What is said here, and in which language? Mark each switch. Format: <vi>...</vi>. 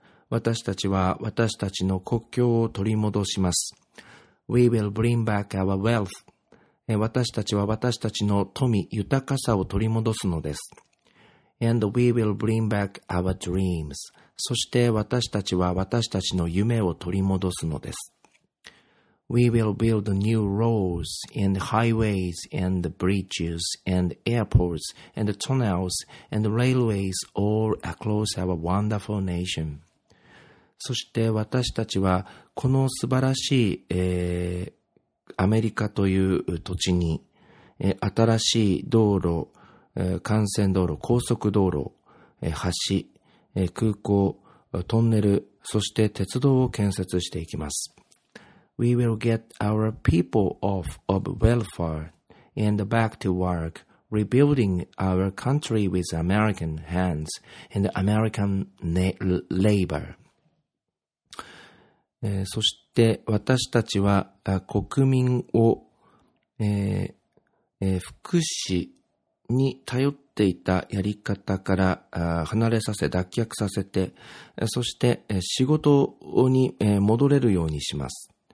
<ja>私たちは私たちの国境を取り戻します。</ja> <en>We will bring back our wealth.</en> <ja>私たちは私たちの富、豊かさを取り戻すのです。</ja> <en>And we will bring back our dreams.</en> <ja>そして私たちは私たちの夢を取り戻すのです。</ja> <en>We will build new roads and highways and bridges and airports and tunnels and railways all across our wonderful nation.</en> <ja>そして私たちはこの素晴らしい、アメリカという土地に、新しい道路、幹線道路、高速道路、橋、空港、トンネル、そして鉄道を建設していきます。</ja> <en>We will get our people off of welfare and back to work, rebuilding our country with American hands and American labor.</en> <ja>そして私たちは国民を、福祉に頼っていたやり方から離れさせ、脱却させて、そして仕事に戻れるようにします。</ja>